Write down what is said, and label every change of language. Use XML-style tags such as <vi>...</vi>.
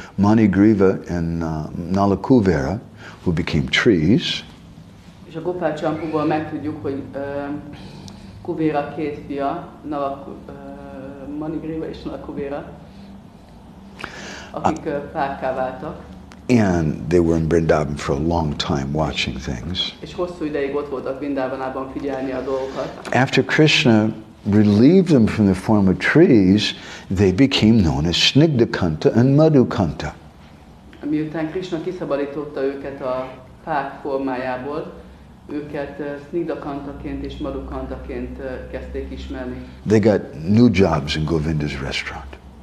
<en>Manigriva and Nala Kuvera, who became trees.</en> <hu>És a Gopal Champuból megtudjuk, hogy Kuvera két fia, Nala Manigriva és Nala Kuvera, akik fákká váltak.</hu> <en>And they were in Vrindavan for a long time watching things.</en> <hu>És hosszú ideig ott voltak Vrindavanában figyelni a dolgokat.</hu> <en>After Krishna relieved them from the form of trees, they became known as Snigdakanta and Madhukanta.</en> <hu>Miután Krishna kiszabadította őket a fák formájából, őket Snigdakantaként és Madhukantaként kezdték ismerni.</hu> <en>They got new jobs in Govinda's restaurant.</en>